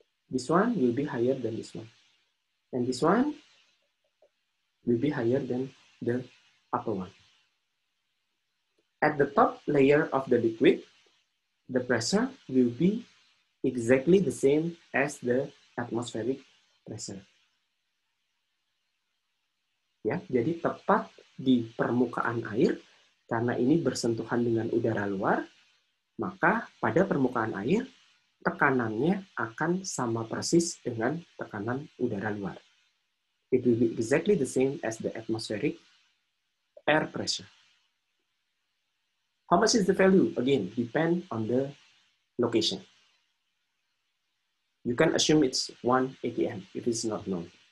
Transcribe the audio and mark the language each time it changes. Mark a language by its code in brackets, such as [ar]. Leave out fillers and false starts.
[en] This one will be higher than this one. And this one will be higher than the upper one. At the top layer of the liquid, the pressure will be exactly the same as the atmospheric pressure. [id] Ya, jadi tepat di permukaan air, karena ini bersentuhan dengan udara luar, maka pada permukaan air, tekanannya akan sama persis dengan tekanan udara luar. [en] It will be exactly the same as the atmospheric air pressure. How much is the value? Again, depend on the location. You can assume it's 1 atm if it's not known.